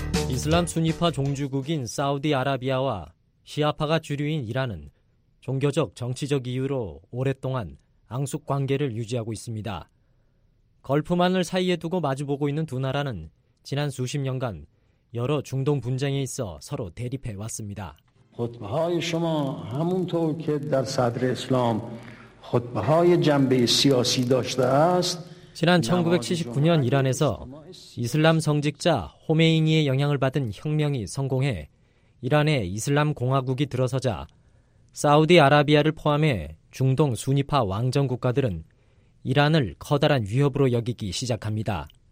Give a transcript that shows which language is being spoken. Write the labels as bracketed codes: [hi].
[ko] 이슬람 순위파 종주국인 사우디아라비아와 시아파가 주류인 이란은 종교적, 정치적 이유로 오랫동안 앙숙 관계를 유지하고 있습니다. 걸프만을 사이에 두고 마주보고 있는 두 나라는 지난 수십 년간 여러 중동 분쟁에 있어 서로 대립해 왔습니다. [fa] 호트바하이 شما همونطور که در صدر اسلام خطبه‌های جنبه سیاسی داشته است. [ko] 지난 1979년 이란에서 이슬람 성직자 호메이니의 영향을 받은 혁명이 성공해 이란의 이슬람 공화국이 들어서자 사우디아라비아를 포함해 중동 순위파 왕정 국가들은 이란을 커다란 위협으로 여기기 시작합니다.